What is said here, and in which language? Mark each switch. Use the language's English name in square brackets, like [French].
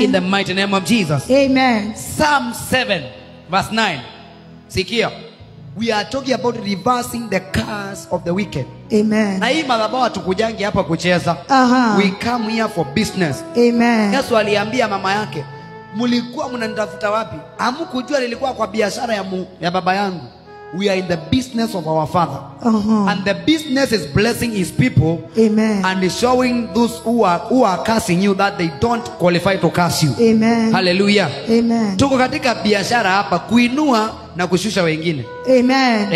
[English] In the mighty name of Jesus. Amen. Psalm 7 verse 9. Sikia. We are talking about reversing the curse of the wicked. Amen. [Swahili] Na hii madhabahu tukujangi hapa kucheza. Aha. [English] We come here for business. Amen. [Swahili] Yesu aliambia mama yake, "Mlikuwa mnanitafuta wapi? Hamkujua nilikuwa kwa biashara ya baba yangu." [English] We are in the business of our father. Uh-huh. And the business is blessing his people. Amen. And is showing those who are cursing you that they don't qualify to curse you. Amen. Hallelujah. Amen. [Swahili] Tuko katika biashara hapa kuinua na kushusha wengine. [English] Amen.